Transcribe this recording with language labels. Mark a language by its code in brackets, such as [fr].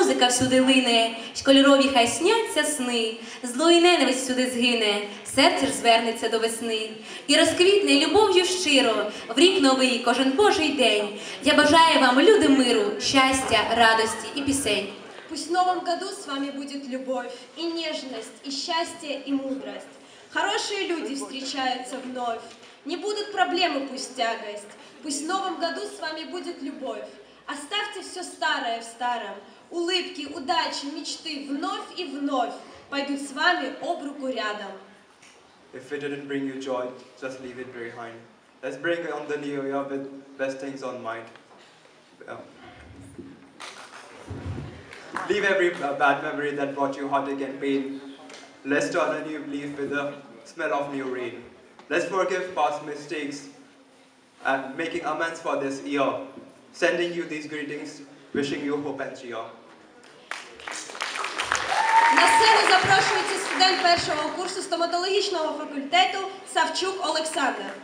[uk] Сюди лине, кольорові хай сняться сни, зло і ненависть сюди згине, серце ж звернеться до весни. І розквітне любов'ю щиро, в рік новий, кожен божий день. Я бажаю вам, люди, миру, щастя, радості і пісень. [ru] Пусть в новом году с вами будет любовь и нежность, и счастье, и мудрость. Хорошие люди встречаются вновь, не будут проблемы пусть тягость. Пусть в новом году с вами будет любовь, оставьте все старое в старом. Улыбки, удачи, мечты вновь и вновь пойдут с вами об руку рядом. [en] If it didn't bring you joy, just leave it behind. Let's bring on the new year with best things on mind. Leave every bad memory that brought you heartache and pain. Let's turn a new leaf with the smell of new rain. Let's forgive past mistakes and making amends for this year, sending you these greetings, wishing you hope and cheer. [uk] На сцену запрошується студент першого курсу стоматологічного факультету Савчук Олександр.